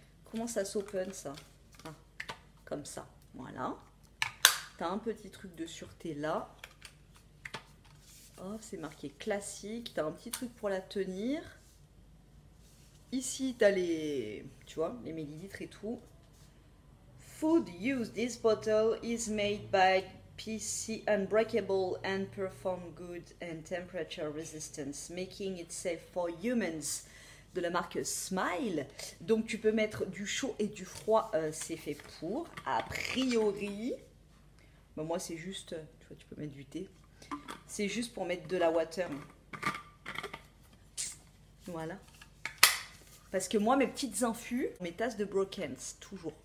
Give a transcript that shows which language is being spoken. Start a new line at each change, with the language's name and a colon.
French: Comment ça s'open ça? Ah, comme ça, voilà. T'as un petit truc de sûreté là. Oh, c'est marqué classique. T'as un petit truc pour la tenir. Ici, t'as les, tu vois, les millilitres et tout.
English: Food use. This bottle is made by PC Unbreakable and perform good and temperature resistance, making it safe for humans.
French: De la marque Smile. Donc, tu peux mettre du chaud et du froid. C'est fait pour, a priori. Bah, moi, c'est juste, tu vois, tu peux mettre du thé. C'est juste pour mettre de la water. Voilà. Parce que moi, mes petites infus, mes tasses de Brookhands, toujours.